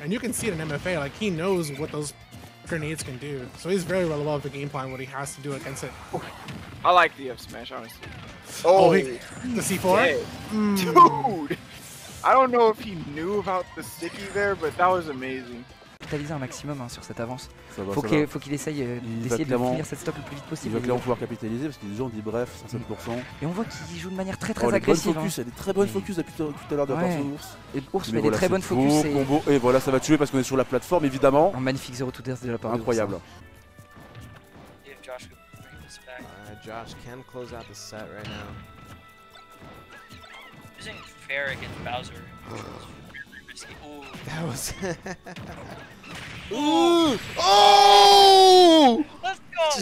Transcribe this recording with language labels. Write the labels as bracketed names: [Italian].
[English] And you can see it in MFA, like he knows what those grenades can do. So he's very well aware of the game plan, what he has to do against it. I like the up smash, honestly. Oh, the C4? Dude! I don't know if he knew about the sticky there, but that was amazing. [French] Capitaliser un maximum hein, sur cette avance. Faut qu'il essaye d'essayer de finir cette stock le plus vite possible. Il va clairement pouvoir capitaliser parce qu'ils ont dit bref, 50%. Et on voit qu'il joue de manière très très agressive. Il y a des très bonnes focus depuis tout à l'heure de la part de l'ours. Et l'ours met des très bonnes focus. Combo. Et voilà, ça va tuer parce qu'on est sur la plateforme évidemment. Un magnifique 0 to death de la part de l'ours. Incroyable. [English] Josh can close out the set right now. Using fair against Bowser. Ooh. That was. Ooh! Oh! Let's go!